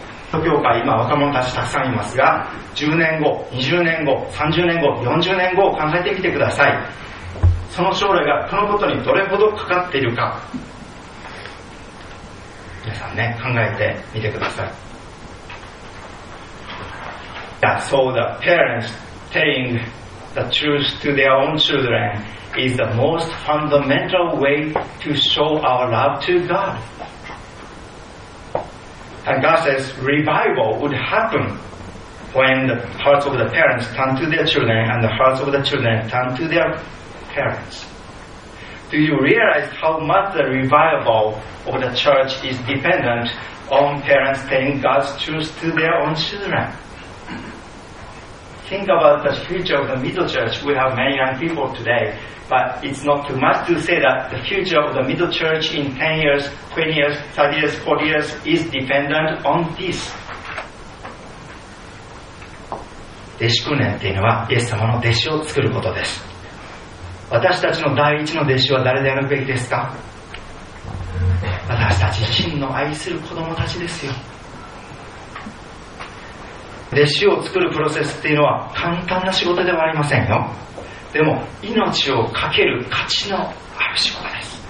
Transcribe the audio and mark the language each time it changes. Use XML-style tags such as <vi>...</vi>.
<ja>教会、今若者たちたくさんいますが、10年後、20年後、30年後、40年後を考えてみてください。その将来がこのことにどれほどかかっているか、皆さんね、考えてみてください。</ja> <en>Yeah, so the parents telling the truth to their own children is the most fundamental way to show our love to God. And God says revival would happen when the hearts of the parents turn to their children and the hearts of the children turn to their parents. Do you realize how much the revival of the church is dependent on parents telling God's truth to their own children? Think about the future of the middle church. We have many young people today, but it's not too much to say that the future of the middle church in 10 years, 20 years, 30 years, 40 years is dependent on this.</en> <ja>弟子訓練っていうのはイエス様の弟子を作ることです。私たちの第一の弟子は誰であるべきですか。私たち真の愛する子供たちですよ。弟子を作るプロセスっていうのは簡単な仕事ではありませんよ。でも命を懸ける価値のある仕事です。</ja>